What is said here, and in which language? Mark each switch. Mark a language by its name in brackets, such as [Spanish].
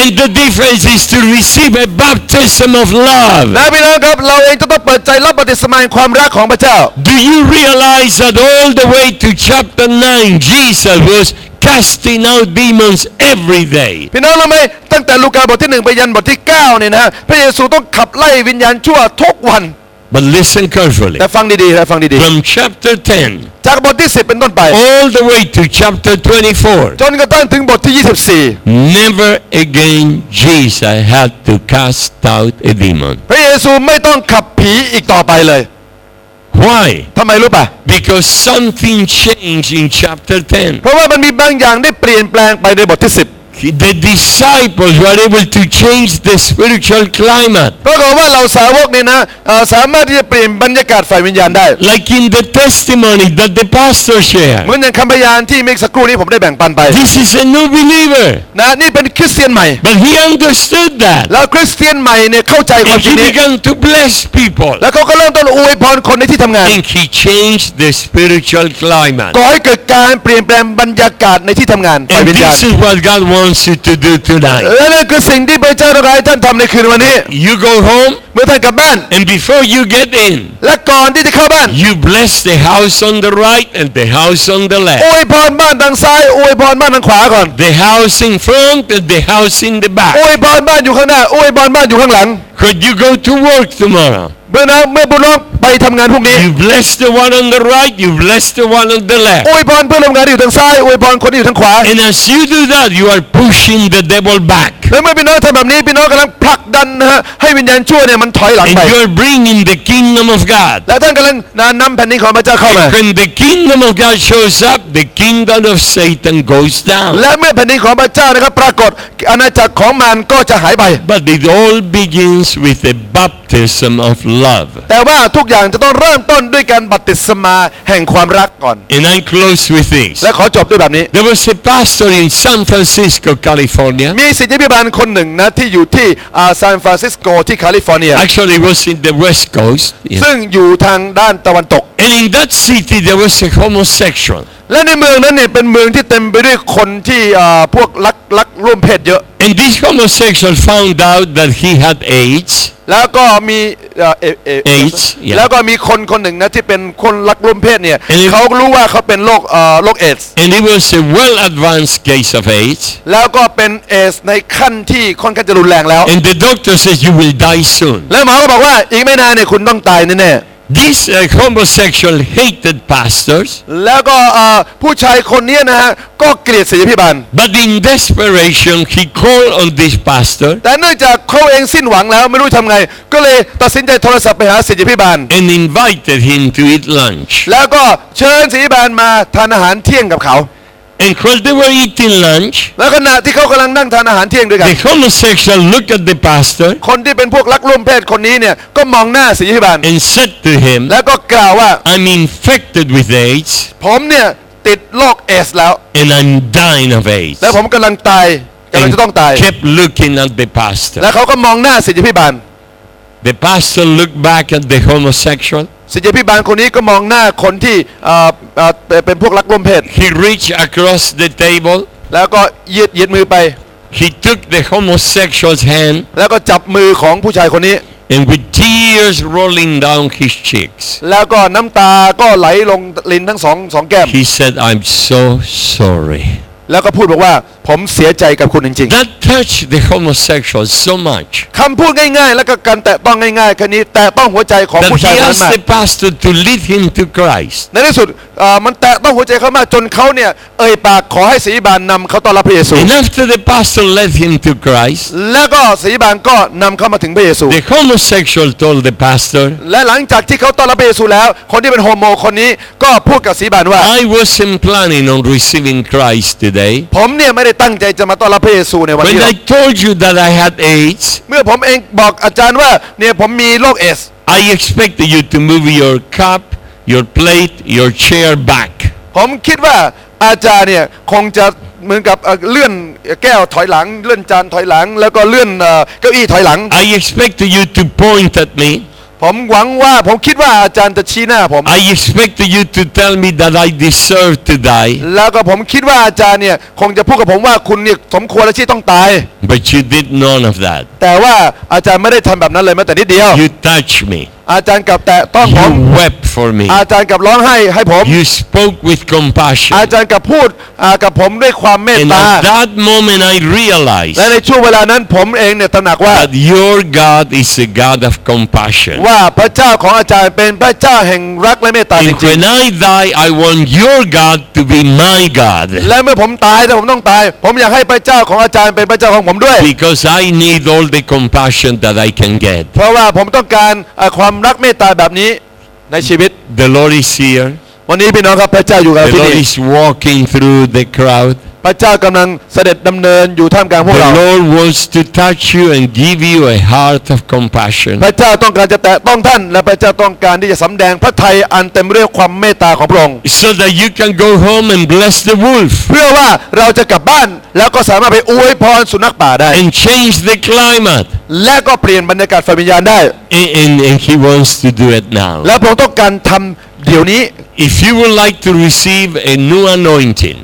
[English] And the difference is to receive a baptism of love [Thai] และพี่น้องครับเราเองจะต้องเปิดใจรับบัพติศมาแห่งความรักของพระเจ้า [English] Do you realize that all the way to chapter 9 Jesus wascasting out demons every day [Thai] พี่น้องรู้มั้ยตั้งแต่ลูกาบทที่1ไปยันบทที่9เนี่ยนะพระเยซูต้องขับไล่วิญญาณชั่วทุกวัน [English] But listen carefully [Thai] แต่ฟังดีๆนะฟังดีๆ [English] From chapter 10 [Thai] จากบทที่10เป็นต้นไป [English] All the way to chapter 24 [Thai] จนกระทั่งถึงบทที่24 [English] Never again Jesus had to cast out a demon [Thai] พระเยซูไม่ต้องขับผีอีกต่อไปเลย [English] Why? [Thai] ทำไมรู้ป่ะ [English] Because something changed in chapter 10. [Thai] เพราะว่ามันมีบางอย่างได้เปลี่ยนแปลงไปในบทที่10. [English] The disciples were able to change the spiritual climate. [Thai] เพราะว่าเราสาวกเนี่ยนะสามารถที่จะเปลี่ยนบรรยากาศฝ่ายวิญญาณได้ [English] Like in the testimony that the pastor shared. [Thai] เหมือนอย่างคำพยานที่เมื่อสักครู่นี้ผมได้แบ่งปันไป [English] This is a new believer. [Thai] นะนี่เป็นคริสเตียนใหม่ [English] But he understood that. [Thai] แล้วคริสเตียนใหม่เนี่ยเข้าใจความจริง [English] นี้ He began to bless people. [Thai] แล้วเขาก็เริ่มต้นอวยพรคนในที่ทำงาน [English] He changed the spiritual climate. [Thai] ก็ให้เกิดการเปลี่ยนแปลงบรรยากาศในที่ทำงานฝ่ายวิญญาณ [English] And this is what God wants you to do tonight. [Thai] และนั่นคือสิ่งที่พระเจ้าต้องการให้ท่านทำในคืนวันนี้ [English] You go home. [Thai] เมื่อท่านกลับบ้าน [English] and before you get in [Thai] และก่อนที่จะเข้าบ้าน [English] you bless the house on the right and the house on the left [Thai] อวยพรบ้านทางซ้ายอวยพรบ้านทางขวาก่อน [English] the house in front and the house in the back [Thai] อวยพรบ้านอยู่ข้างหน้าอวยพรบ้านอยู่ข้างหลัง [English] could you go to work tomorrow [Thai] เมื่อนะเมื่อบุญร้องไปทำงานพรุ่งนี้ [English] you bless the one on the right you bless the one on the left [Thai] อวยพรเพื่อนร่วมงานอยู่ทางซ้ายอวยพรคนที่อยู่ทางขวา [English] and as you do that you are pushing the devil back [Thai] แล้วเมื่อพี่น้องทำแบบนี้พี่น้องกำลังผลักดันนะฮะให้วิญญาณชั่วเนี่ยมันถอยหลังไป [English] And you're bringing the kingdom of God [Thai] และท่านกำลังนำแผ่นดินของพระเจ้าเข้ามา [English] When the kingdom of God shows up the kingdom of Satan goes down [Thai] และเมื่อแผ่นดินของพระเจ้านะครับปรากฏอาณาจักรของมารก็จะหายไป [English] But it all begins with the baptism of love [Thai] แต่ว่าทุกอย่างจะต้องเริ่มต้นด้วยการบัพติศมาแห่งความรักก่อน [English] And I close with this [Thai] และขอจบด้วยแบบนี้ [English] There was a pastor in San Francisco California [Thai] มีสิทธิพิบาลคนหนึ่งนะที่อยู่ที่ซานฟรานซิสโกที่แคลิฟอร์เนีย [English] Actually was in the west coast [Thai] ซึ่งอยู่ทางด้านตะวันตก [English] And in that city there was a homosexual [Thai] และในเมืองนั้นเนี่ยเป็นเมืองที่เต็มไปด้วยคนที่พวกรักร่วมเพศเยอะ [English] And this homosexual found out that he had AIDS [Thai] แล้วก็มี [English] AIDS yeah. [Thai] แล้วก็มีคนคนหนึ่งนะที่เป็นคนรักร่วมเพศเนี่ย And เขารู้ว่าเขาเป็นโรคเอดส์ [English] And it was a well advanced case of AIDS [Thai] แล้วก็เป็นเอดส์ในขั้นที่ค่อนข้างจะรุนแรงแล้ว [English] And the doctor says you will die soon [Thai] แล้วหมอก็บอกว่าอีกไม่นานเนี่ยคุณต้องตายแน่ๆ [English] This homosexual hated pastors. [Thai] แล้วก็ผู้ชายคนนี้นะฮะก็เกลียดศิษยาภิบาล [English] But in desperation, he called on this pastor. [Thai] แต่เนื่องจากเขาเองสิ้นหวังแล้วไม่รู้ทำไงก็เลยตัดสินใจโทรศัพท์ไปหาศิษยาภิบาล [English] And invited him to eat lunch. [Thai] แล้วก็เชิญศิษยาภิบาลมาทานอาหารเที่ยงกับเขา [English] And while they were eating lunch, [Thai] แล้วขณะที่เขากำลังนั่งทานอาหารเที่ยงด้วยกัน [English] the homosexual looked at the pastor. [Thai] คนที่เป็นพวกรักร่วมเพศคนนี้เนี่ยก็มองหน้าศิษยาภิบาล [English] and said to him, [Thai] แล้วก็กล่าวว่า [English] I'm infected with AIDS. [Thai] ผมเนี่ยติดโรคเอสแล้ว [English] and I'm dying of AIDS. [Thai] แล้วผมกำลังตายกำลังจะต้องตาย [English] kept looking at the pastor. [Thai] แล้วเขาก็มองหน้าศิษยาภิบาล [English] The pastor looked back at the homosexual. [Thai] ศิษย์พิบาลคนนี้ก็มองหน้าคนที่เป็นพวกรักร่วมเพศ [English] He reached across the table. [Thai] แล้วก็ยืดมือไป [English] He took the homosexual's hand. [Thai] แล้วก็จับมือของผู้ชายคนนี้ [English] And with tears rolling down his cheeks, [Thai] แล้วก็น้ำตาก็ไหลลงลิ้นทั้งสองแก้ม [English] He said, "I'm so sorry." [Thai] แล้วก็พูดบอกว่าผมเสียใจกับคุณจริงๆ [English] That touched the homosexual so much. [Thai] คำพูดง่ายๆแล้วก็การแตะต้องง่ายๆแค่นี้แตะต้องหัวใจของผู้ชายคนนั้นมาก [English] That he asked the pastor to lead him to Christ. [Thai] ในที่สุดมันแตะต้องหัวใจเขามากจนเขาเนี่ยเอ่ยปากขอให้ศรีบาลนำเขาต้อนรับพระเยซู [English] And after the pastor led him to Christ. [Thai] แล้วก็ศรีบาลก็นำเขามาถึงพระเยซู [English] The homosexual told the pastor. [Thai] และหลังจากที่เขาต้อนรับพระเยซูแล้วคนที่เป็นโฮโมคนนี้ก็พูดกับศรีบาลว่า [English] I wasn't planning on receiving Christ today. [Thai] ผมเนี่ยได้ตั้งใจจะมาต้อนรับพระเยซูในวันนี้ [English] When I told you that I had AIDS [Thai] เมื่อผมเองบอกอาจารย์ว่าเนี่ยผมมีโรคเอส [English] I expect you to move your cup your plate your chair back [Thai] ผมคิดว่าอาจารย์เนี่ยคงจะเหมือนกับเลื่อนแก้วถอยหลังเลื่อนจานถอยหลังแล้วก็เลื่อนเก้าอี้ถอยหลัง [English] I expect you to point at me [Thai] ผมหวังว่าผมคิดว่าอาจารย์จะชี้หน้าผม [English] I expect you to tell me that I deserve to die [Thai] แล้วก็ผมคิดว่าอาจารย์เนี่ยคงจะพูดกับผมว่าคุณเนี่ยสมควรที่ต้องตาย [English] But you did none of that [Thai] แต่ว่าอาจารย์ไม่ได้ทำแบบนั้นเลยแม้แต่นิดเดียว [English] You touch me [Thai] อาจารย์กับแตะต้องผม [English] You wept for me [Thai] อาจารย์กับร้องไห้ให้ผม [English] You spoke with compassion [Thai] อาจารย์กับพูดกับผมด้วยความเมตตา [English] And at that moment I realized [Thai] และในช่วงเวลานั้นผมเองเนี่ยตระหนักว่า [English] That your God is a God of compassion [Thai] ว่าพระเจ้าของอาจารย์เป็นพระเจ้าแห่งรักและเมตตาจริง [English] ๆ And when I die I want your God to be my God [Thai] และเมื่อผมตายถ้าผมต้องตายผมอยากให้พระเจ้าของอาจารย์เป็นพระเจ้าของผมด้วย [English] Because I need all the compassion that I can get [Thai] เพราะว่าผมต้องการความรักเมตตาแบบนี้ในชีวิต [English] The Lord is here [Thai] วันนี้พี่น้องครับพระเจ้าอยู่กับที่นี่ [English] The Lord is walking through the crowd [Thai] พระเจ้ากำลังเสด็จดำเนินอยู่ท่ามกลางพวกเรา [English] The Lord wants to touch you and give you a heart of compassion [Thai] พระเจ้าต้องการจะแตะต้องท่านและพระเจ้าต้องการที่จะสำแดงพระทัยอันเต็มด้วยความเมตตาของพระองค์ [English] So that you can go home and bless the wolf [Thai] เพื่อว่าเราจะกลับบ้านแล้วก็สามารถไปอวยพรสุนัขป่าได้ [English] And change the climate [Thai] และก็เปลี่ยนบรรยากาศฝ่ายวิญญาณได้ [English] And he wants to do it now. [Thai] และผมต้องการทำเดี๋ยวนี้ [English] If you would like to receive a new anointing,